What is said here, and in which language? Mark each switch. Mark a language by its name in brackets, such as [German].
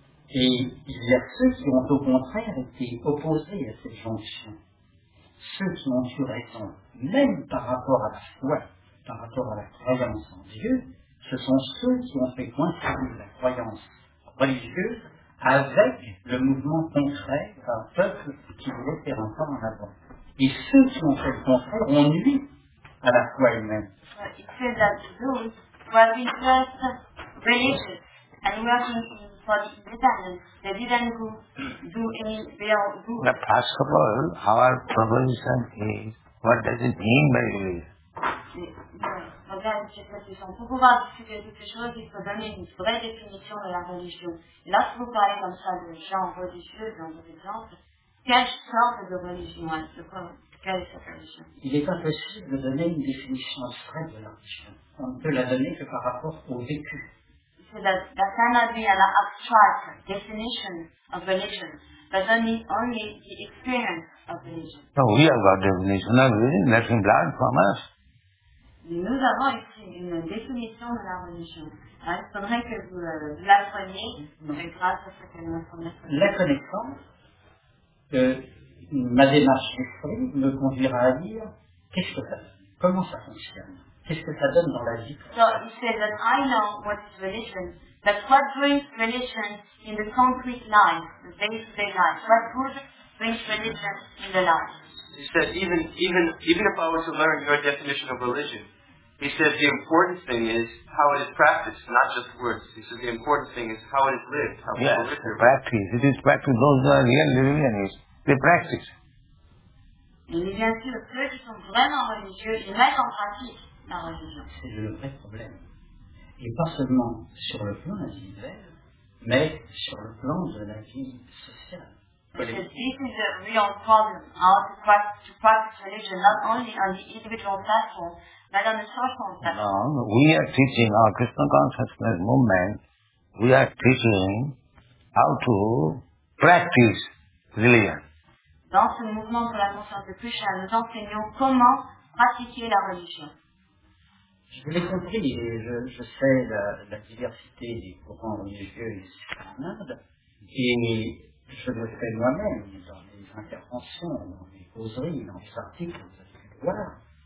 [French] Et il y a ceux qui ont au contraire été opposés à cette jonction, ceux qui ont eu raison, même par rapport à la foi, par rapport à la croyance en Dieu, ce sont ceux qui ont fait coïncider la croyance religieuse avec le mouvement concret d'un peuple qui voulait faire un pas en avant. Et ceux qui ont fait le contraire ont nui à la foi elle-même. [English] It says that those who have been first religious and working for the independence, they didn't go do any real good. But first of all, our proposition is, what does it mean by religion? [French] Pour pouvoir discuter toutes les choses, il faut donner une vraie définition de la religion. Et là, si vous parlez comme ça de gens religieux, dans vos exemples, quelle sorte de religion est-ce que, quelle est cette religion? Il est impossible de donner une définition abstraite de la religion. On ne peut la donner que par rapport au vécu. [English] So that cannot be an abstract definition of religion, but only the experience of religion. No, we have got definition of religion, nothing blind from us. [French] Nous avons ici une définition de la religion. Il faudrait que vous l'appreniez grâce à cette information. La connaissance, ma démarche d'esprit me conduira à dire qu'est-ce que ça, comment ça fonctionne, qu'est-ce que ça donne dans la vie. [English] So he says that I know what is religion, but what brings religion in the concrete life, the day-to-day life? What good brings religion in the life? He said, even if I were to learn your definition of religion, he said, the important thing is how it is practiced, not just words. He said, the important thing is how it is lived, how yes, people live. Yes, practice. It is practice. Those who are real religionists, they practice. [French] Et bien sûr, ceux qui sont vraiment religieux, ils mettent en pratique la religion. C'est le vrai problème. Et pas seulement sur le plan individuel, mais sur le plan de la vie sociale. [English] Because this is a real problem, how to practice religion, not only on the individual platform, but on the social platform. No, we are teaching our Krishna consciousness movement, we are teaching how to practice religion. [French] Dans ce mouvement pour la conscience de Krishna, nous enseignons comment pratiquer la religion. Je vous l'ai compris, je sais la diversité des courants religieux ici en Inde, et je le fais moi-même dans les interventions, dans les causeries, dans les articles, vous avez pu le voir.